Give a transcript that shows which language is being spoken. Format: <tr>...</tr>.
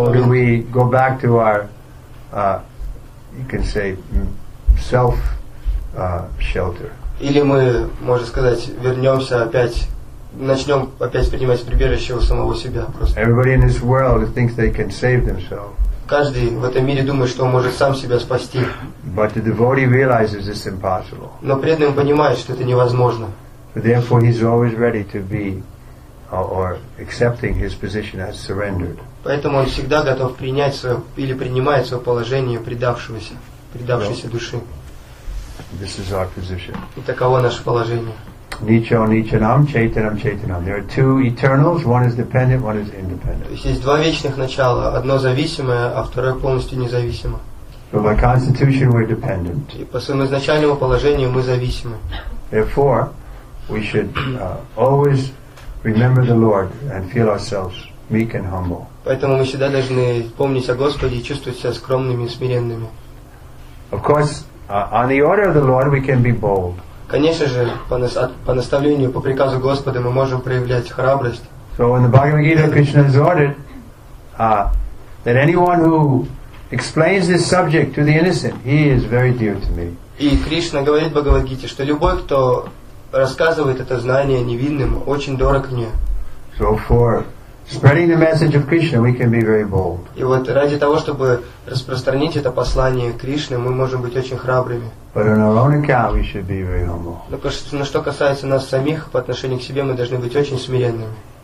<ru>момент?</ru> <en>Or do we go back to our, you can say, self shelter?</en> <ru>Или мы, можно сказать, вернемся опять, начнем опять принимать прибежище у самого себя просто.</ru> <en>Everybody in this world thinks they can save themselves.</en> <ru>Каждый в этом мире думает, что он может сам себя спасти.</ru> <en>But the devotee realizes it's impossible.</en> <ru>Но преданный понимает, что это невозможно.</ru> <en>Therefore, he's always ready to be or accepting his position as surrendered.</en> <ru>Поэтому он всегда готов принять свое или принимает свое положение предавшейся души.</ru> <en>This is our position.</en> <ru>И таково наше положение.</ru> <sa>Nicho, nichanam, chaitanam, chaitanam.</sa> <en>There are two eternals, one is dependent, one is independent.</en> <ru>То есть есть два вечных начала, одно зависимое, а второе полностью независимо.</ru> <en>So by constitution we're dependent.</en> <ru>И по своему изначальному положению мы зависимы.</ru> <en>Therefore, we should always remember the Lord and feel ourselves meek and humble.</en> <ru>Поэтому мы всегда должны помнить о Господе и чувствовать себя скромными и смиренными.</ru> <en>Of course, on the order of the Lord, we can be bold.</en> <ru>Конечно же, по наставлению, по приказу Господа, мы можем проявлять храбрость.</ru> <en>So in the Bhagavad Gita, Krishna has ordered that anyone who explains this subject to the innocent, he is very dear to me.</en> <ru>И Кришна говорит в Бхагавад Гите, что любой, кто рассказывает это знание невинным, очень дорог мне.</ru> <en>So for spreading the message of Krishna, we can be very bold.</en> <ru>И вот ради того, чтобы распространить это послание Кришны, мы можем быть очень храбрыми.</ru> <en>But on our own account, we should be very humble.</en> <ru>Но на что касается нас самих, по отношению к себе, мы должны быть очень смиренными.</ru>